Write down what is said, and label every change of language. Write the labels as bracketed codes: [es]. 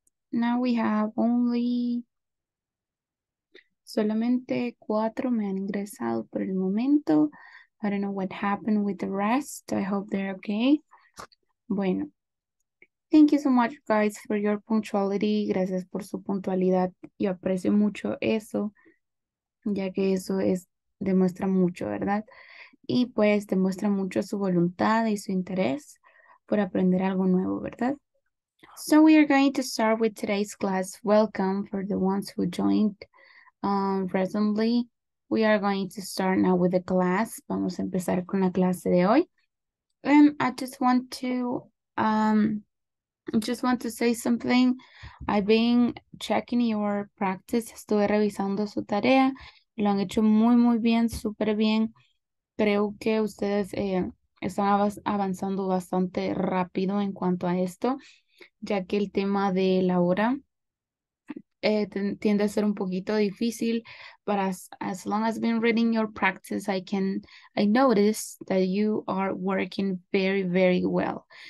[en] Now we have only [es] solamente cuatro me han ingresado por el momento. [en] I don't know what happened with the rest. I hope they're okay. [es] Bueno, [en] thank you so much, guys, for your punctuality. [es] Gracias por su puntualidad. Yo aprecio mucho eso, ya que eso es demuestra mucho, ¿verdad? Y pues demuestra mucho su voluntad y su interés por aprender algo nuevo, ¿verdad? [en] So we are going to start with today's class. Welcome for the ones who joined recently. We are going to start now with the class. [es] Vamos a empezar con la clase de hoy. [en] And I just want to say something. I've been checking your practice. [es] Estuve revisando su tarea. Lo han hecho muy, muy bien, súper bien. Creo que ustedes están avanzando bastante rápido en cuanto a esto, ya que el tema de la hora tiende a ser un poquito difícil, [en] but as long as I've been reading your practice, I notice that you are working very, very well.